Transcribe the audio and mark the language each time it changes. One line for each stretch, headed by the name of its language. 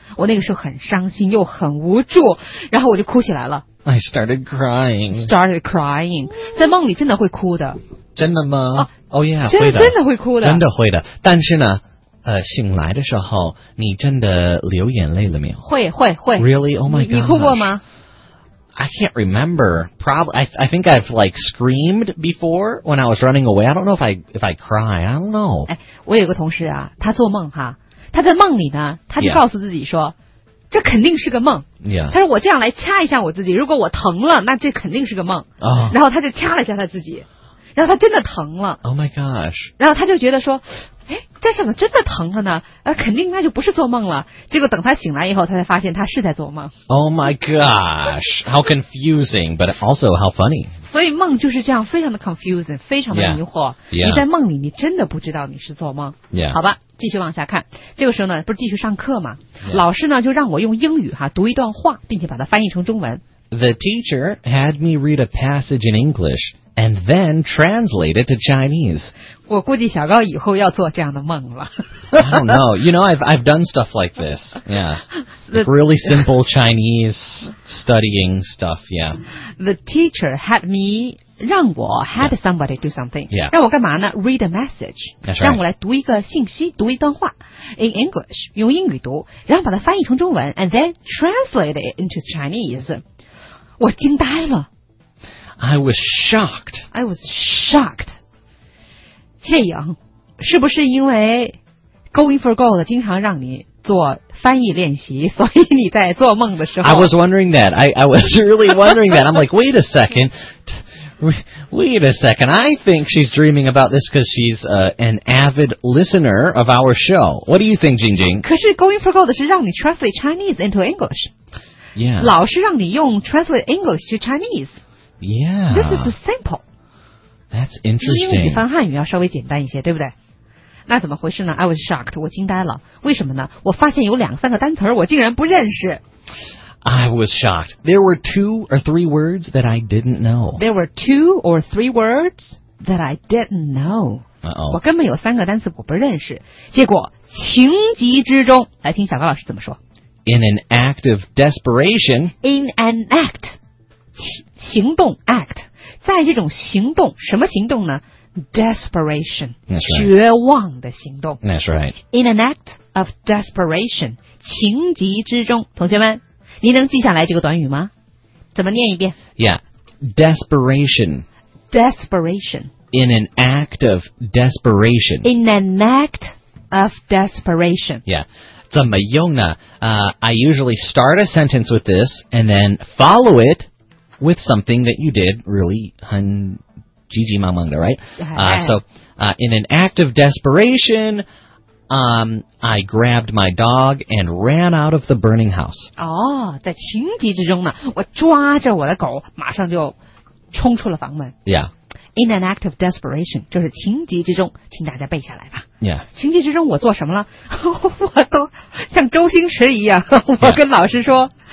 Chinese: 我那个时候很伤心又很无助然后我就哭起来了。
English: I started crying. Started crying.
Chinese: 在梦里真的会哭的。真的吗哦、啊 oh, yeah, 真的会哭的。真的会的。但是呢醒来的时候你真的流眼泪了没有会
English: Really? Oh my god
Chinese: 你哭过吗
English: I can't remember Probably I think I've like screamed before When I was running away I don't know if I cry I don't know
Chinese: 我有个同事啊他做梦哈他在梦里呢他就告诉自己说、 yeah. 这肯定是个梦、 yeah. 他说我这样来掐一下我自己如果我疼了那这肯定是个梦、 oh. 然后他就掐了一下他自己然后他真的疼了
English: Oh my gosh
Chinese: 然后他就觉得说哎，这怎么真的疼了呢？肯定应该就不是做梦了。结果等他醒来以后，他才发现他是在做梦。
English: Oh my gosh, how confusing, but also how funny.
Chinese: 所以梦就是这样，非常的 confusing, 非常的迷惑。 Yeah, yeah. 你在梦里，你真的不知道你是做梦。 Yeah. 好吧，继续往下看。这个时候呢，不是继续上课吗？ Yeah. 老师呢就让我用英语哈读一段话，并且把它翻译成中文。
English: The teacher had me read a passage in English. And then translate it to Chinese.
Chinese: 我估计小高以后要做这样的梦了。
English: I don't know. You know, I've done stuff like this. Yeah. Like really simple Chinese studying stuff. Yeah. The teacher had me,
Chinese: 让我
English: had somebody do something. Yeah.
Chinese: 让我干嘛呢?
English: Read a message. That's right.
Chinese: 让我来读一个信息,读一段话。
English: In English,
Chinese: 用英语读,然后把它翻译成中文,
English: and then translate it into Chinese.
Chinese: 我惊呆了。
English: I was shocked. I was shocked.
Chinese: 谢颖，是不是因为 going for gold 经常让你做翻译练习，所以你在做梦的时候
English: ？I was wondering that. I was really wondering that. I'm like, wait a second. Wait a second. I think she's dreaming about this because she's an avid listener of our show. What do you think, Jing Jing?
Chinese: 可是 going for gold 是让你
English: translate Chinese into English. Yeah.
Chinese: 老是让你用
English: translate English to Chinese. Yeah. This is simple. That's interesting.
Chinese: 英语翻汉语要稍微简单一些，对不对？那怎么回事呢 ？
English: I was shocked.
Chinese: 我惊呆了。为什么呢？我发现有两三个单词我竟然不认识。
English: I was shocked. There were two or three words that I didn't know. There were two or three words that I didn't know. Uh-oh.
Chinese: 我根本有三个单词我不认识。结果情急之中，来听小高老师怎么说。
English: In an act of desperation. In an act.
Chinese: 行动 act， 在这种行动，什么行动呢？
English: Desperation、 right.
Chinese: 绝望的行动
English: That's right. In an act of desperation
Chinese: 情急之中同学们你能记下来这个短语吗怎么念一遍
English: Yeah Desperation Desperation In an act of desperation In an act of desperation Yeah怎么用呢、I usually start a sentence with this And then follow it With something that you did Really
Chinese: 很急急忙忙的
English: right? In an act of desperation, I grabbed my dog and ran out of the burning house.
Chinese: 哦，在情急之中呢，我抓着我的狗，马上就冲出了房门。 Yeah.
English: In an act of desperation,
Chinese: 就是情急之中，请大家背下来吧。 Yeah. 情急之中我做什么了？我都像周星驰一样，我跟老师说， yeah.